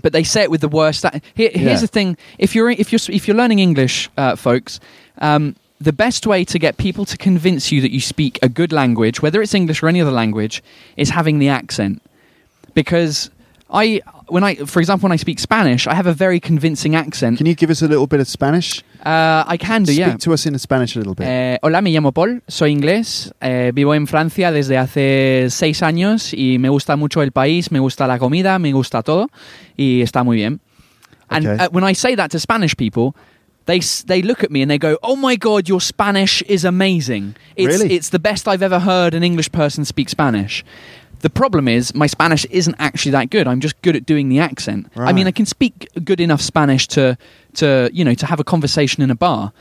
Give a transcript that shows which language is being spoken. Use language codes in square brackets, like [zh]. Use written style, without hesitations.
[en] But they say it with the worst. Here's the thing. If you're learning English, folks, the best way to get people to convince you that you speak a good language, whether it's English or any other language, is having the accent. Because when I, for example, when I speak Spanish, I have a very convincing accent. Can you give us a little bit of Spanish? I can do, speak to us in Spanish a little bit. [es] Hola, me llamo Paul, soy inglés, vivo en Francia desde hace 6 años y me gusta mucho el país, me gusta la comida, me gusta todo y está muy bien. [en] And okay. When I say that to Spanish people, they look at me and they go, oh my God, your Spanish is amazing. It's the best I've ever heard an English person speak Spanish. The problem is, my Spanish isn't actually that good. I'm just good at doing the accent. Right. I mean, I can speak good enough Spanish to you know, to have a conversation in a bar.